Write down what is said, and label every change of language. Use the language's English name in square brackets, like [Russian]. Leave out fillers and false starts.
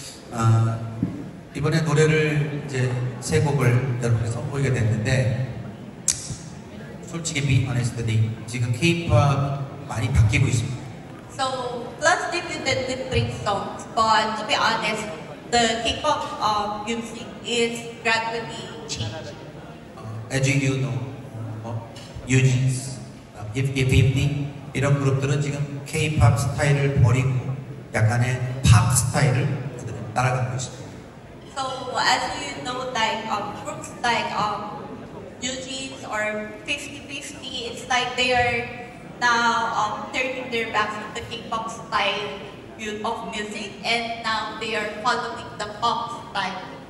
[Korean] Ah, 이번에 노래를 이제 세 곡을 여러분께 선보이게 됐는데 솔직히 [English] be honest, [Korean] 지금 K-pop 많이 바뀌고 있습니다. [English] So PLUUS debuted with three songs, but to be honest, the K-pop music is gradually changing. As you know. [Korean] 유진스, 50-50 이런 그룹들은 지금 K-pop 스타일을 버리고 약간의 팝 스타일을 그들이 따라가고 있습니다. [English] So as you know, like groups like UGs or 50-50, it's like they are now turning their backs to the K-pop style of music, and now they are following the pop style.